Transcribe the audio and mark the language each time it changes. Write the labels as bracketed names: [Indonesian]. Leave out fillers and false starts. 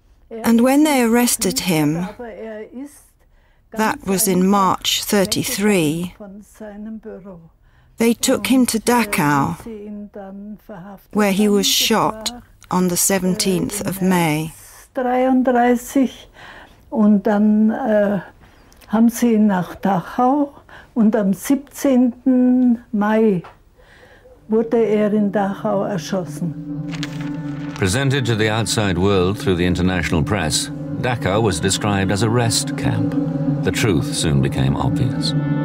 [English] And when they arrested him, that was in March 33, they took him to Dachau, where he was shot on the 17th of May. [German] Und dann haben sie ihn nach Dachau und am 17. Mai wurde in Dachau erschossen. [English] Presented to the outside world through the international press, Dachau was described as a rest camp. The truth soon became obvious.